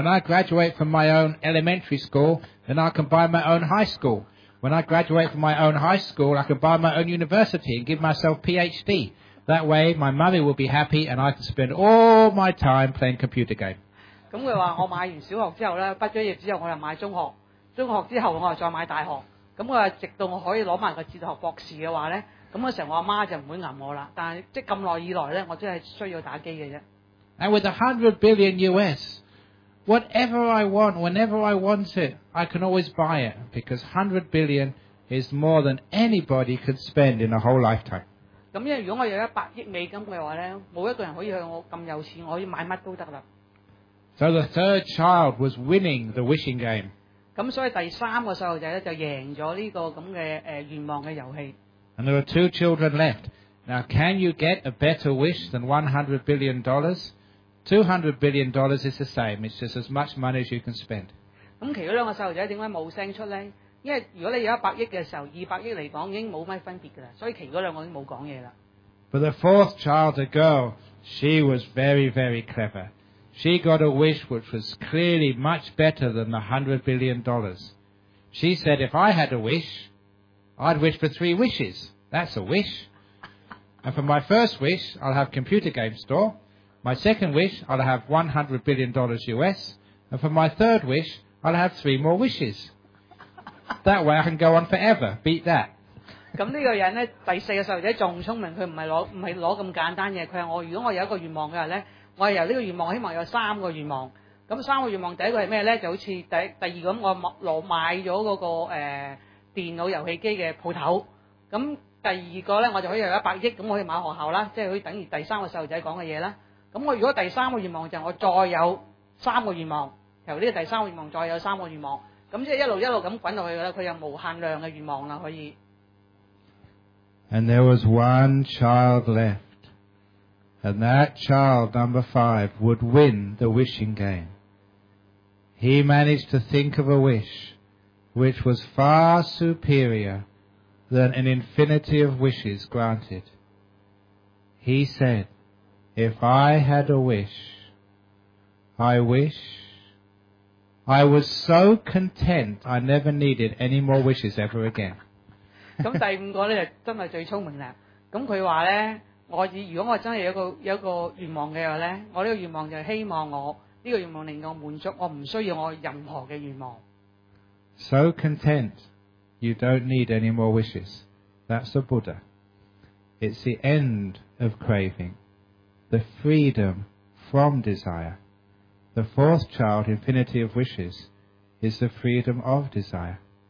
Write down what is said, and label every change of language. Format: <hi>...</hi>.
<en>When I graduate from my own elementary school, then I can buy my own high school. When I graduate from my own high school, I can buy my own university and give myself PhD. That way, my mummy will be happy and I can spend all my time playing computer game.</en> <yue>咁佢話我買完小學之後咧，畢咗業之後我就買中學，中學之後我就再買大學。咁我直到我可以攞埋個哲學博士嘅話咧，咁嗰時候我阿媽就唔會揞我啦。但係即係咁耐以來咧，我真係需要打機嘅啫。</yue> <en>And with $100 billion, whatever I want, whenever I want it, I can always buy it because $100 billion is more than anybody could spend in a whole lifetime.</en> <yue>咁因為如果我有100亿美金嘅話咧，冇一個人可以向我咁有錢，我可以買乜都得啦。</yue> <en>So the third child was winning the wishing game.</en> <yue>咁所以第三個細路仔咧就贏咗呢個咁嘅願望嘅遊戲。</yue> <en>And there are two children left. Now, can you get a better wish than $100 billion? $200 billion is the same. It's just as much money as you can spend.</en> <yue>咁其中兩個細路仔點解冇聲出咧？因為如果你有100亿嘅時候，200亿嚟講已經冇乜分別噶啦，所以其嗰兩個已經冇講嘢啦。</yue> <en>But the fourth child, a girl, she was very, very clever. She got a wish which was clearly much better than the $100 billion. She said, if I had a wish, I'd wish for 3 wishes. That's a wish. And for my first wish, I'll have computer game store. My second wish, I'll have $100 billion US. And for my third wish, I'll have 3 more wishes. That way I can go on forever. Beat that.</en> <yue>咁呢個人咧，第四個細路仔仲聰明，佢唔係攞咁簡單嘅。佢話我如果我有一個願望嘅話咧，我係由呢個願望希望有3個願望。咁3個願望第一個係咩咧？就好似第二咁，我買咗嗰、那個電腦遊戲機嘅鋪頭。咁第二個咧，我就可以有100億，咁我可以買學校啦，即係可以等於第三個細路仔講嘅嘢啦。咁我如果第三個願望就係我再有3個願望，由呢個第三個願望再有3個願望，咁即係一路咁滾落去啦。佢有無限量嘅願望啦，可以。</yue> <en>And there was one child left, and that child, number 5, would win the wishing game. He managed to think of a wish which was far superior than an infinity of wishes granted. He said, if I had a wish, I wish I was so content I never needed any more wishes ever again.</en> <yue>咁第五個咧就真係最聰明啦。咁佢話咧，如果我真係有一個願望嘅話咧，我呢個願望就希望我呢、這個願望令我滿足，我唔需要我任何嘅願望。</yue> <en>So content, you don't need any more wishes. That's the Buddha. It's the end of craving, the freedom from desire. The fourth child, infinity of wishes, is the freedom of desire.</en>